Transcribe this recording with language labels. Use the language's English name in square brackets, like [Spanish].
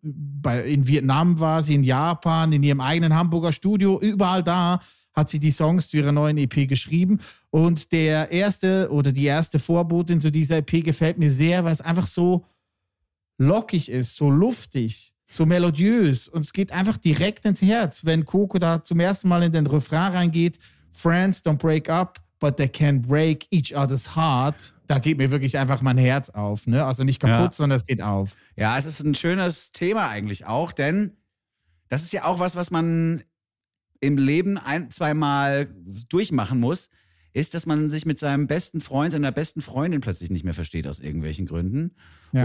[German] In Vietnam war sie, in Japan, in ihrem eigenen Hamburger Studio, überall da hat sie die Songs zu ihrer neuen EP geschrieben. Und die erste Vorbotin zu dieser EP gefällt mir sehr, weil es einfach so lockig ist, so luftig, so melodiös. Und es geht einfach direkt ins Herz, wenn Coco da zum ersten Mal in den Refrain reingeht. [English] Friends don't break up, but they can break each other's heart. [German] Da geht mir wirklich einfach mein Herz auf. Ne? Also nicht kaputt, ja, sondern es geht auf. Ja, es ist ein schönes Thema eigentlich auch, denn das ist ja auch was man im Leben ein-, zweimal durchmachen muss, ist, dass man sich mit seinem besten Freund, seiner besten Freundin plötzlich nicht mehr versteht aus irgendwelchen Gründen. Ja.